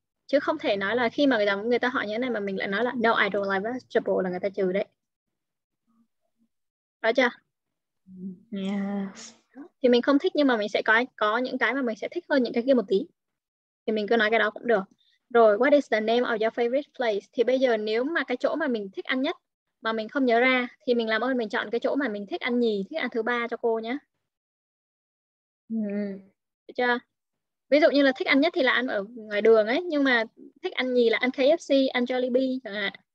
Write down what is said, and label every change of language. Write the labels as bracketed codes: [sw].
[vi] Chứ không thể nói là khi mà người ta hỏi như thế này mà mình lại nói là [en] no, I don't like vegetable, [vi] là người ta trừ đấy. Đó chưa? [en] Yes. [vi] Thì mình không thích nhưng mà mình sẽ có những cái mà mình sẽ thích hơn những cái kia một tí. Thì mình cứ nói cái đó cũng được. [en] Rồi, what is the name of your favorite place? [vi] Thì bây giờ nếu mà cái chỗ mà mình thích ăn nhất mà mình không nhớ ra, thì mình làm ơn mình chọn cái chỗ mà mình thích ăn nhì, thích ăn thứ ba cho cô nhé. Được chưa? Ví dụ như là thích ăn nhất thì là ăn ở ngoài đường ấy, nhưng mà thích ăn nhì là ăn KFC, ăn Jollibee chẳng hạn.